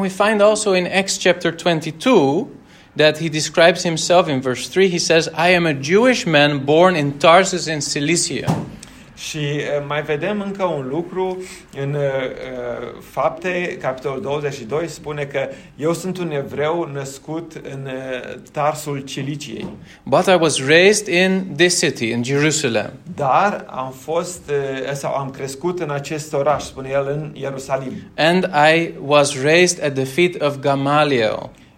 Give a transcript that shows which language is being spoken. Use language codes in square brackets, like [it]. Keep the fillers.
[en] we find also in Acts chapter 22 that he describes himself in verse 3. He says, I am a Jewish man born in Tarsus in Cilicia. [ro] Și mai vedem încă un lucru în uh, fapte, capitolul 22, spune că eu sunt un evreu născut în uh, Tarsul Ciliciei. [en] But I was raised in this city, in Jerusalem. [ro] Dar am fost, uh, sau am crescut în acest oraș, spune el, în Ierusalim. [en] And I was raised at the feet of Gamaliel.